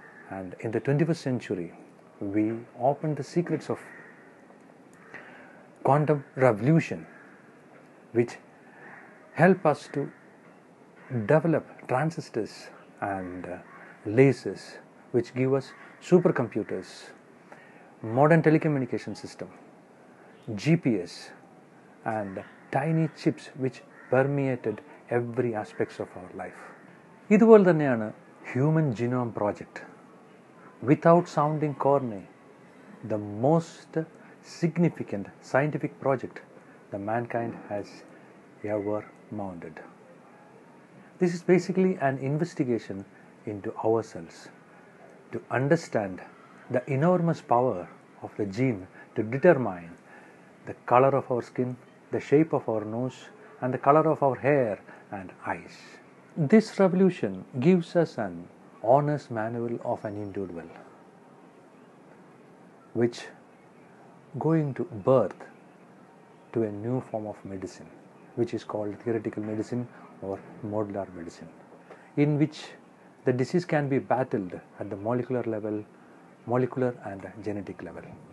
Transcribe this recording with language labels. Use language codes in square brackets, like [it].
[en] And in the 21st century, we opened the secrets of quantum revolution, which helped us to develop transistors and lasers, which give us supercomputers, modern telecommunication system, GPS, and tiny chips which permeated every aspect of our life. [ml] ഇതുപോലെ തന്നെയാണ് [en] Human genome project. Without sounding corny, the most significant scientific project the mankind has ever mounted. This is basically an investigation into our cells to understand the enormous power of the gene to determine the colour of our skin, the shape of our nose and the colour of our hair and eyes. This revolution gives us an honest manual of an individual which going to birth to a new form of medicine which is called theoretical medicine or modular medicine, in which the disease can be battled at the molecular level, molecular and genetic level.